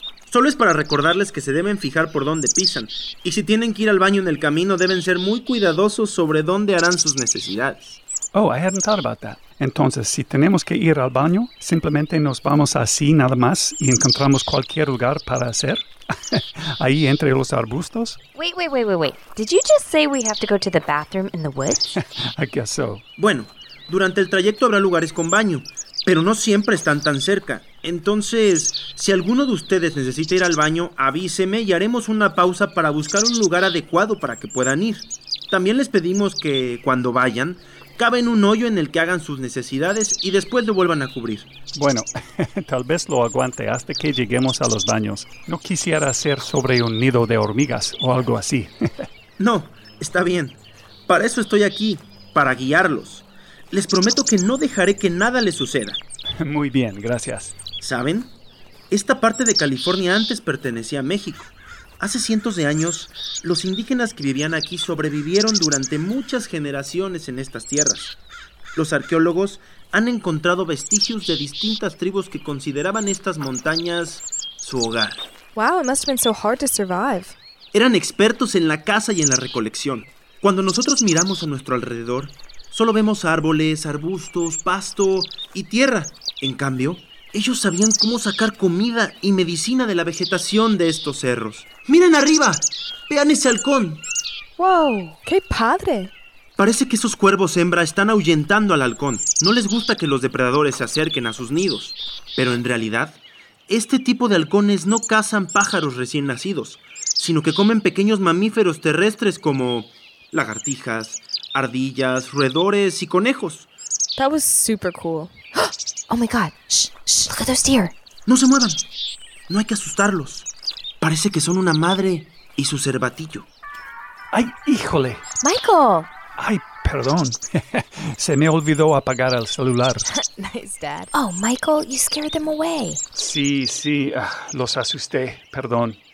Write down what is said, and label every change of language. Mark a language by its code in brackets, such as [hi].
[es] Solo es para recordarles que se deben fijar por dónde pisan. Y si tienen que ir al baño en el camino, deben ser muy cuidadosos sobre dónde harán sus necesidades. [en] Oh, I hadn't thought about that. [es] Entonces, si tenemos que ir al baño, simplemente nos vamos así nada más y encontramos cualquier lugar para hacer. Ahí entre los arbustos. [en] Wait. Did you just say we have to go to the bathroom in the woods? I guess so. [es] Bueno, durante el trayecto habrá lugares con baño, pero no siempre están tan cerca. Entonces, si alguno de ustedes necesita ir al baño, avíseme y haremos una pausa para buscar un lugar adecuado para que puedan ir. También les pedimos que, cuando vayan, caven un hoyo en el que hagan sus necesidades y después lo vuelvan a cubrir. Bueno, tal vez lo aguante hasta que lleguemos a los baños. No quisiera hacer sobre un nido de hormigas o algo así. No, está bien. Para eso estoy aquí, para guiarlos. Les prometo que no dejaré que nada les suceda. Muy bien, gracias. ¿Saben? Esta parte de California antes pertenecía a México. Hace cientos de años, los indígenas que vivían aquí sobrevivieron durante muchas generaciones en estas tierras. Los arqueólogos han encontrado vestigios de distintas tribus que consideraban estas montañas su hogar. [en] Wow, it must have been so hard to survive. [es] Eran expertos en la caza y en la recolección. Cuando nosotros miramos a nuestro alrededor, solo vemos árboles, arbustos, pasto y tierra. En cambio, ellos sabían cómo sacar comida y medicina de la vegetación de estos cerros. ¡Miren arriba! ¡Vean ese halcón! ¡Wow! ¡Qué padre! Parece que esos cuervos hembra están ahuyentando al halcón. No les gusta que los depredadores se acerquen a sus nidos. Pero en realidad, este tipo de halcones no cazan pájaros recién nacidos, sino que comen pequeños mamíferos terrestres como lagartijas, ardillas, roedores y conejos. [en] That was super cool. Oh my god, shh, look at those deer. [es] No se muevan, no hay que asustarlos. Parece que son una madre y su cervatillo. Ay, híjole. Michael. Ay, perdón, se me olvidó apagar el celular. [en] Nice, Dad. Oh, Michael, you scared them away. [es] Sí, sí, los asusté, perdón.